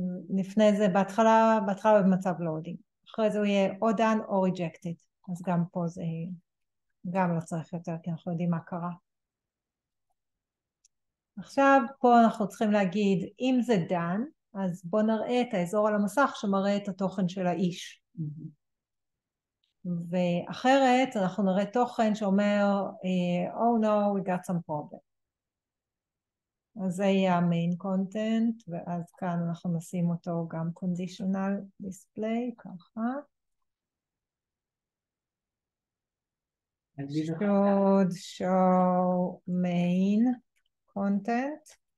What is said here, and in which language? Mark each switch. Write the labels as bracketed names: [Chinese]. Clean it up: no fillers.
[Hebrew] לפני זה, בהתחלה במצב לאודינג. אחרי זה הוא יהיה או דן או ריג'קטד. אז גם פה זה גם לא צריך יותר, כי אנחנו יודעים מה קרה. עכשיו, פה אנחנו צריכים להגיד, אם זה דן, אז בוא נראה את האזור על המסך שמראה את התוכן של האיש. ואחרת, אנחנו נראה תוכן שאומר, [English] Oh no, we got some problem. [Hebrew] אז זה יהיה המיין קונטנט, ואז כאן אנחנו נשים אותו גם קונדישונל דיספליי, ככה. [English] שוד שואו מיין קונטנט.